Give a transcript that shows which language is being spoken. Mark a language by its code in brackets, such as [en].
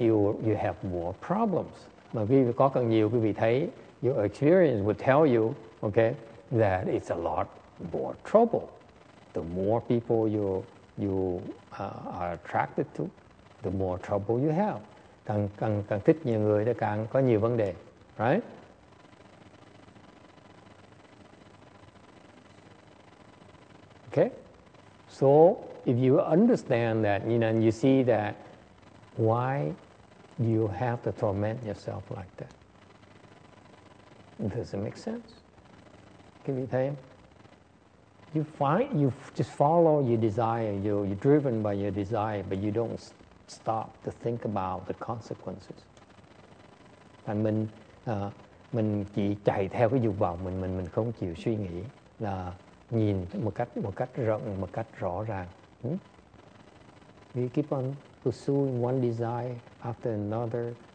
[en] You have more problems. [vi] Mà quý vị có cần nhiều, quý vị thấy, [en] your experience would tell you, okay, that it's a lot more trouble. The more people you are attracted to, the more trouble you have. [vi] Càng thích nhiều người thì càng có nhiều vấn đề, right? [en] Okay? So if you understand that, you know, and you see that, why do you have to torment yourself like that? Does it make sense? Can you tell him? You just follow your desire, you're driven by your desire, but you don't stop to think about the consequences. [vi] And mình chỉ chạy theo cái dục vọng, mình không chịu suy nghĩ, là nhìn một cách rộng, một cách rõ ràng. [en] We keep on pursuing one desire after another.